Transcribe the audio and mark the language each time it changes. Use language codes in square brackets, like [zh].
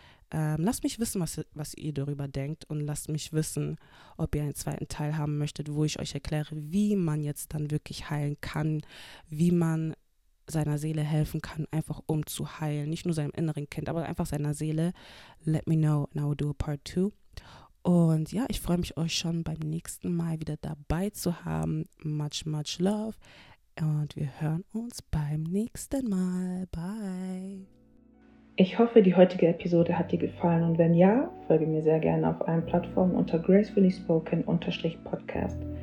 [de] Lasst mich wissen, was ihr darüber denkt und lasst mich wissen, ob ihr einen zweiten Teil haben möchtet, wo ich euch erkläre, wie man jetzt dann wirklich heilen kann, wie man seiner Seele helfen kann, einfach um zu heilen, nicht nur seinem inneren Kind, aber einfach seiner Seele. [en] Let me know and I will do a part two. [de] Und ja, ich freue mich, euch schon beim nächsten Mal wieder dabei zu haben. [en] Much, much love. [de] Und wir hören uns beim nächsten Mal. Bye. Ich hoffe, die heutige Episode hat dir gefallen. Und wenn ja, folge mir sehr gerne auf allen Plattformen unter gracefullyspoken_podcast.